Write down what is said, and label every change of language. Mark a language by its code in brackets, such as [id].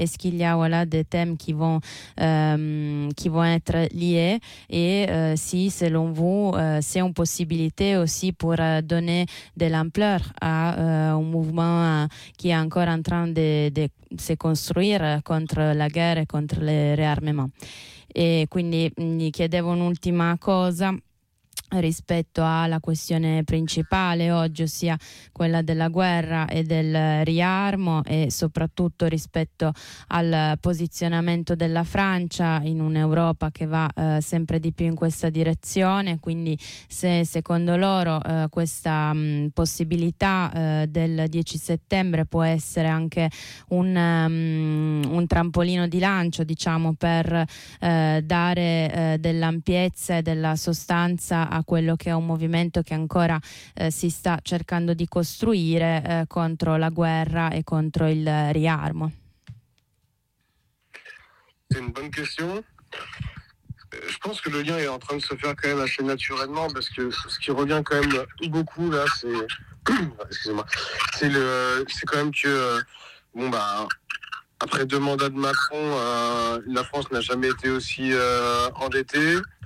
[fr] Est-ce qu'il y a voilà, des thèmes qui vont être liés? Et si, selon vous, c'est une possibilité aussi pour donner de l'ampleur à un mouvement qui est encore en train de se construire contre la guerre et contre le réarmement? [it] E quindi gli chiedevo un'ultima cosa rispetto alla questione principale oggi, ossia quella della guerra e del riarmo, e soprattutto rispetto al posizionamento della Francia in un'Europa che va sempre di più in questa direzione. Quindi se secondo loro questa possibilità del 10 settembre può essere anche un trampolino di lancio, diciamo, per dare dell'ampiezza e della sostanza a quello che è un movimento che ancora si sta cercando di costruire contro la guerra e contro il riarmo. [fr] C'est une bonne question. Je pense que le lien est en train de se faire quand même assez naturellement, parce que ce qui revient quand même beaucoup là, c'est excusez-moi, c'est quand même que bon bah après 2 mandats de Macron, la France n'a jamais été aussi endettée.